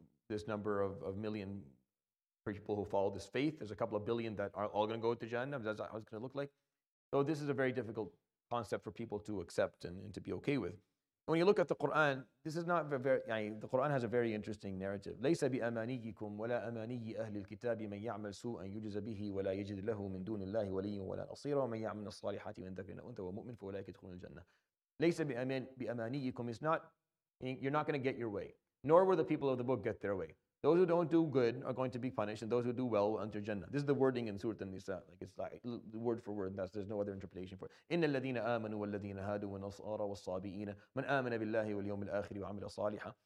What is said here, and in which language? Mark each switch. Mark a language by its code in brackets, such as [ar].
[en] This number of million people who follow this faith, there's a couple of billion that are all going to go to Jannah. That's how it's going to look like. So this is a very difficult concept for people to accept and to be okay with. When you look at the Quran, this is not the Quran has a very interesting narrative. [ar] ليس بأمانيكم ولا أماني أهل الكتاب من يعمل سوء أن يجز به ولا يجد له من دون الله ولي ولا نصير ومن يعمل الصالحات من ذكر أنثى ومؤمن فأولئك يدخلون الجنة. ليس بأمانيكم. [en] It's not, you're not going to get your way. Nor will the people of the book get their way. Those who don't do good are going to be punished, and those who do well will enter Jannah. This is the wording in Surah An-Nisa. Like, it's like word for word. That's, there's no other interpretation for it. [ar] إِنَّ الَّذِينَ آمَنُوا وَالَّذِينَ هَادُوا وَالنَّصَارَى وَالصَّابِئِينَ مَنْ آمَنَ بِاللَّهِ وَالْيَوْمِ الْآخِرِ وَعَمِلَ صَالِحًا.